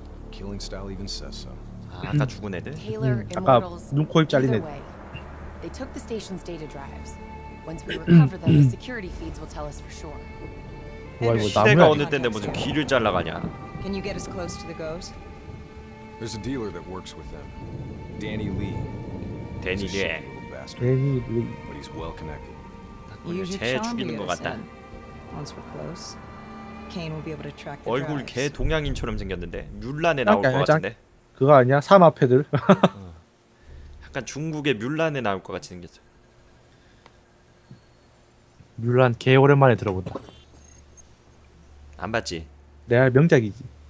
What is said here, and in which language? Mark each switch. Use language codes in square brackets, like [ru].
[en] Killing style even says so. [ko] 아, 아까 죽은 애들. 아까 눈 코 입 잘린 애들. [en] They took the station's data drives. Once we recover them, the security feeds will tell us for sure. [ko] 와, 이거 시대가 어느 때인데 무슨 귀를 잘라가냐. [en] Can you get us close to the ghost? There's a dealer that works with them. Danny Lee. Danny Lee. Danny Lee. But he's well connected. He's a champion. Once we're close, Kane will be able to track the. [ko] 얼굴 개 동양인처럼 생겼는데 뮬란에 나올 것 같은데. 그거 아니야? 사마패들. 약간 중국의 뮬란에 나올 것 같이 생겼어. 뮬란 개 오랜만에 들어본다. 안 봤지? 내가 명작이지.